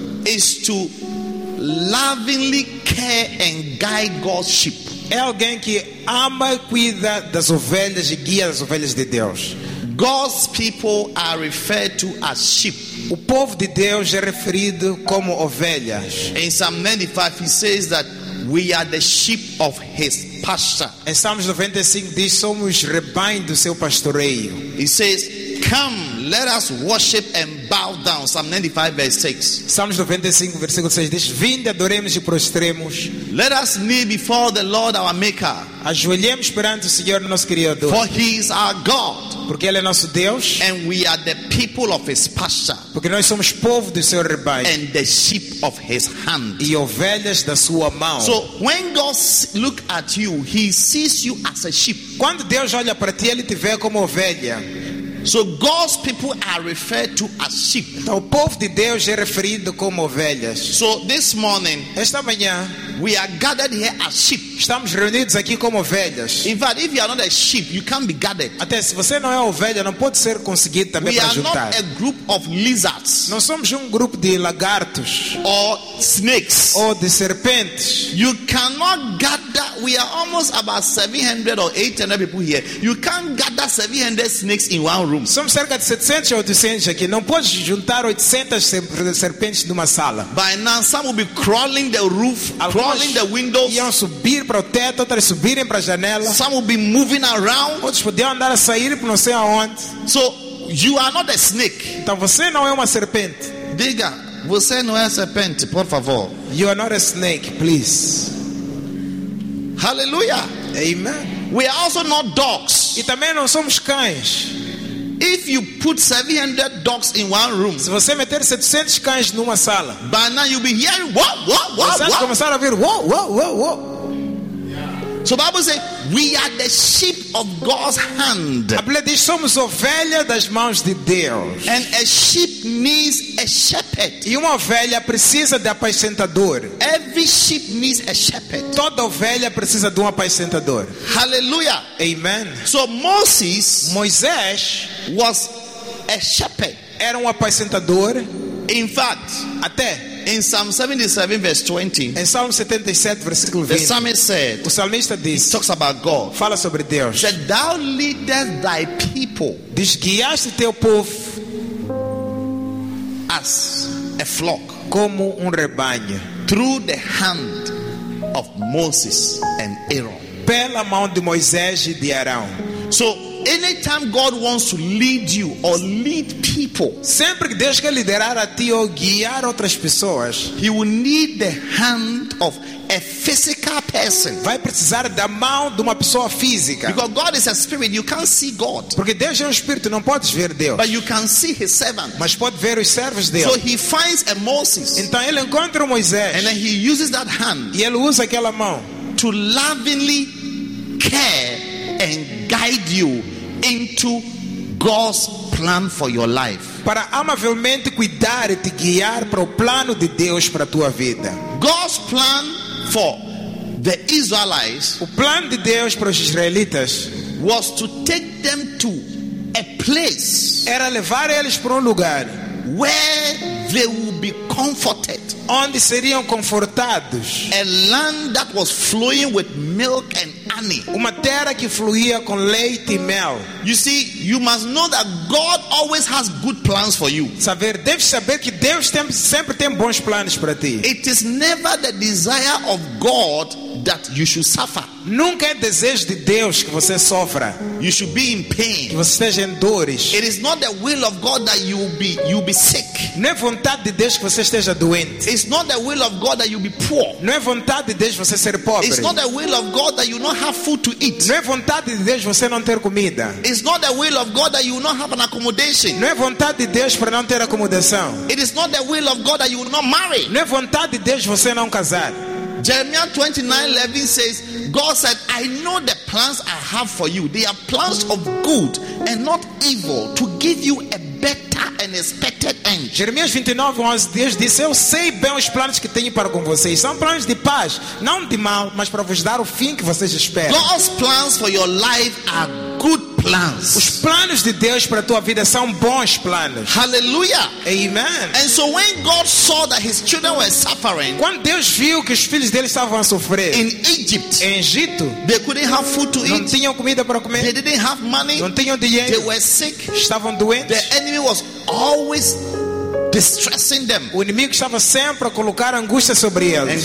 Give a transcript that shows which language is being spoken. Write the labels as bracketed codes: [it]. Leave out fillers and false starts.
[en] is to lovingly care and guide God's sheep. [pt] É alguém que ama e cuida das ovelhas e guia as ovelhas de Deus. [en] God's people are referred to as sheep. [pt] O povo de Deus é referido como ovelhas. [en] In Psalm 95, he says that we are the sheep of his pasture. [pt] Em Salmos 95 diz, somos rebanho do seu pastoreio. [en] He says, come, let us worship and bow down. Psalm 95, verse 6. [pt] Salmos 95, versículo 6 diz, vinde, adoremos e prostremos. [en] Let us kneel before the Lord our Maker. [pt] Ajoelhemos perante o Senhor nosso Criador. [en] For he is our God. [pt] Porque ele é nosso Deus. [en] And we are the people of his pasture. [pt] Porque nós somos povo do seu rebanho. [en] And the sheep of his hand. [pt] E ovelhas da sua mão. [en] So when God look at you, he sees you as a sheep. [pt] Quando Deus olha para ti, ele te vê como ovelha. [en] So God's people are referred to as sheep. [pt] Então, o povo de Deus é referido como ovelhas. [en] So this morning, [pt] esta manhã, [en] we are gathered here as sheep. [pt] Estamos reunidos aqui como ovelhas. [en] In fact, if you are not a sheep, you can't be gathered. [pt] Até se você não é ovelha, não pode ser conseguido também para juntar. [en] We are not a group of lizards. [pt] Não somos grupo de lagartos. [en] Or snakes. [pt] Ou de serpentes. [en] You cannot gather. We are almost about 700 or 800 people here. You can't gather 700 snakes in one room. [pt] Somos cerca de 700 ou 800 aqui. Não pode juntar 800 serpentes numa sala. [en] By now, some will be crawling the roof. Crawling the windows. [pt] Iam subir para o teto, outras subirem para a janela. [en] Some will be moving around. [pt] Outros podiam andar a sair para não sei aonde. [en] So you are not a snake. [pt] Então você não é uma serpente. Diga, você não é serpente, por favor. [en] You are not a snake, please. Hallelujah. Amen. We are also not dogs. [pt] E também não somos cães. [en] If you put 700 dogs in one room, [pt] se você meter 700 cães numa sala, [en] by now you'll be hearing whoa, whoa, whoa, whoa. [pt] Você começar a ouvir whoa, whoa, whoa, whoa. [en] So Bible says we are the sheep of God's hand. [pt] A Bíblia diz somos ovelha das mãos de Deus. [en] And a sheep needs a shepherd. [pt] E uma ovelha precisa de apacentador. [en] Every sheep needs a shepherd. [pt] Toda ovelha precisa de apacentador. [en] Hallelujah. Amen. So Moses, [pt] Moisés, [en] was a shepherd. [pt] Era apacentador. [en] In fact, [pt] até [en] in Psalm 77 verse 20, [pt] em Salmo 77 versículo 20, [en] the psalmist said, [pt] o salmista diz, [en] he talks about God, [pt] fala sobre Deus, [en] that thou leadest thy people, [pt] diz, guiaste teu povo, [en] as a flock, [pt] como rebanho, [en] through the hand of Moses and Aaron, [pt] pela mão de Moisés e de Arão. [en] So anytime God wants to lead you or lead people, [pt] sempre que Deus quer liderar a ti ou guiar outras pessoas, [en] he will need the hand of a physical person. [pt] Vai precisar da mão de uma pessoa física. [en] Because God is a spirit, you can't see God. [pt] Porque Deus é espírito, não podes ver Deus. [en] But you can see his servant. [pt] Mas pode ver os servos dele. [en] So he finds a Moses. [pt] Então ele encontra o Moisés. [en] And then he uses that hand. [pt] E ele usa aquela mão [en] to lovingly care and guide you into God's plan for your life. [pt] Para amavelmente cuidar e te guiar para o plano de Deus para a tua vida. [en] God's plan for the Israelites, [pt] o plano de Deus para os israelitas, [en] was to take them to a place, [pt] era levar eles para um lugar, [en] where they will be comforted, [pt] onde seriam confortados, [en] a land that was flowing with milk and honey, [pt] uma terra que fluía com leite e mel. [en] You see, you must know that God always has good plans for you. [pt] Saber, deve saber que Deus tem, sempre tem bons planos para ti. [en] It is never the desire of God that you should suffer. [pt] Nunca é desejo de Deus que você sofra. [en] You should be in pain. [pt] Que você esteja em dores. [en] It is not the will of God that you will be sick. [pt] Não é vontade de Deus que você esteja doente. [en] It's not the will of God that you be poor. [pt] Não é vontade de Deus que você ser pobre. [en] It's not the will of God that you not have food to eat. [pt] Não é vontade de Deus que você não ter comida. [en] It's not the will of God that you will not have an accommodation. [pt] Não é vontade de Deus para não ter acomodação. [en] It is not the will of God that you will not marry. [pt] Não é vontade de Deus você não casar. [en] Jeremiah 29:11 says, God said, I know the plans I have for you. They are plans of good and not evil, to give you a better and expected end. [pt] Jeremias 29:11, Deus disse, eu sei bem os planos que tenho para com vocês. São planos de paz, não de mal, mas para vos dar o fim que vocês esperam. [en] God's plans for your life are good plans. [pt] Os planos de Deus para a tua vida são bons planos. [en] Hallelujah. Amen. And so when God saw that his children were suffering, [pt] quando Deus viu que os filhos dele estavam a sofrer, [en] in Egypt, [pt] em Egito, [en] they couldn't have food to eat, [pt] não tinham comida para comer, [en] they didn't have money, [pt] não tinham dinheiro, [en] they were sick, [pt] estavam doentes, [en] the enemy was always distressing them, [pt] o inimigo estava sempre a colocar angústia sobre eles.